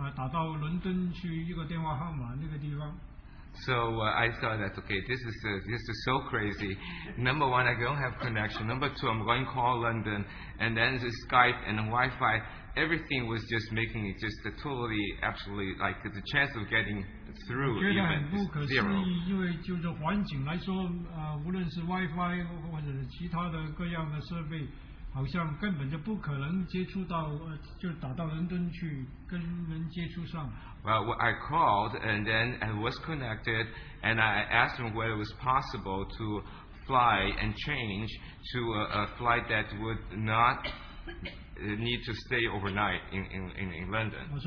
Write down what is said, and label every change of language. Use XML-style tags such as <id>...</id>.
<zh>神给我一个感觉,为什么不尝试再打这个电话呢,打到伦敦去一个电话号码那个地方。</zh> <en>So I thought that, okay, this is so crazy. Number one, I don't have connection. Number two, I'm going to call London. And then the Skype and the Wi-Fi, everything was just making it just totally, absolutely, like the chance of getting through even is zero.</en> <zh>好像根本就不可能接触到，就打到伦敦去跟人接触上。</zh> <en>Well, I called and then I was connected, and I asked them whether it was possible to fly and change to a flight that would not need to stay overnight in London.</en>